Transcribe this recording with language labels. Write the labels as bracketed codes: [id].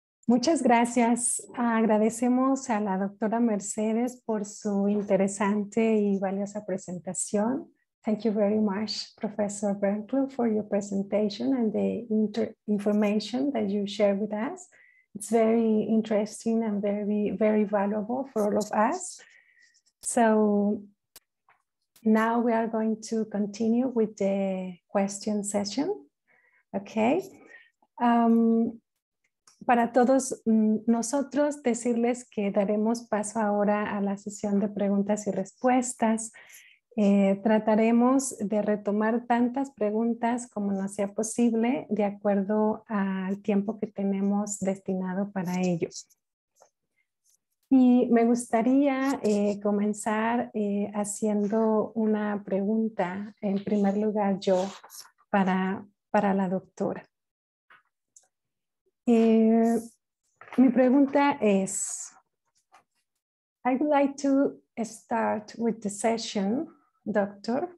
[es] Muchas gracias. Agradecemos a la doctora Mercedes por su interesante y valiosa presentación. [en] Thank you very much, Professor Bernklug, for your presentation and the information that you shared with us. It's very interesting and very, very valuable for all of us. So now we are going to continue with the question session. Okay. [es] Para todos nosotros, decirles que daremos paso ahora a la sesión de preguntas y respuestas. Trataremos de retomar tantas preguntas como nos sea posible de acuerdo al tiempo que tenemos destinado para ello. Y me gustaría comenzar haciendo una pregunta, en primer lugar yo, para la doctora. Mi pregunta es, [en] I would like to start with the session, Dr.